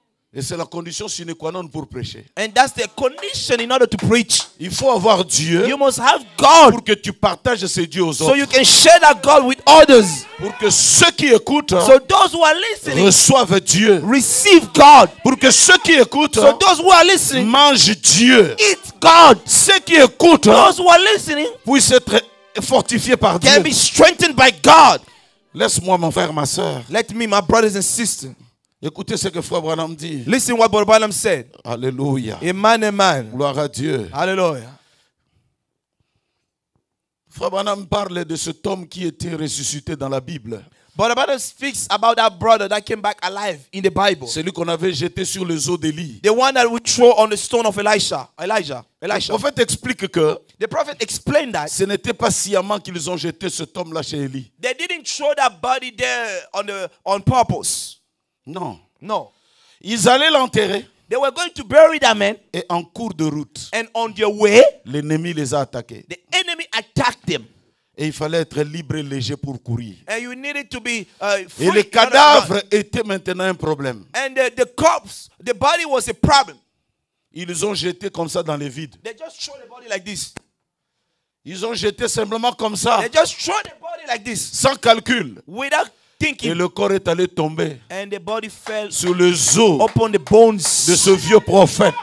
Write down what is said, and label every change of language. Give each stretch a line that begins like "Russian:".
French: Et c'est la condition sine qua non pour prêcher.
English: And that's the condition in order to preach.
French: Il faut avoir Dieu.
English: You must have God.
French: Pour que tu partages ce Dieu aux
English: so
French: autres.
English: So you can share that God with others.
French: Pour que ceux qui écoutent,
English: so those who are listening,
French: reçoivent Dieu.
English: Receive God.
French: Pour que ceux qui écoutent,
English: so those who are listening,
French: mangent Dieu.
English: Eat God.
French: Ceux qui écoutent,
English: those who are listening,
French: puissent être fortifiés par Dieu.
English: Can be strengthened by God.
French: Laisse-moi mon frère, ma sœur.
English: Let me, my brothers and sisters.
French: Écoutez ce que Frère Branham dit.
English: Listen what Brother Branham said. Alléluia. Amen, amen.
French: Gloire à Dieu. Alléluia. Frère Branham parle de cet homme qui était ressuscité dans la Bible.
English: Brother Branham speaks about that brother that came back alive in the Bible.
French: Celui qu'on avait jeté sur les eaux d'Élie.
English: The one that we throw on the stone of Elijah.
French: Le prophet explique que.
English: The prophet explained that.
French: Ce n'était pas sciemment qu'ils ont jeté cet homme là chez Élie.
English: They didn't throw that body there on purpose.
French: Non. Non. Ils allaient l'enterrer.
English: They were going to bury that man.
French: Et en cours de route.
English: And on their way.
French: L'ennemi les a attaqués.
English: The enemy attacked them.
French: Et il fallait être libre et léger pour courir.
English: And you needed to be
French: et les cadavres étaient maintenant un problème.
English: And the corpse, the body was a problem.
French: Ils les ont jetés comme ça dans le vide.
English: They just threw the body like this.
French: Ils ont jeté simplement comme ça.
English: They just threw the body like this.
French: Sans calcul.
English: Without thinking.
French: Et le corps est allé tomber.
English: And the body fell
French: sur le zoo
English: upon the bones
French: de ce vieux prophète.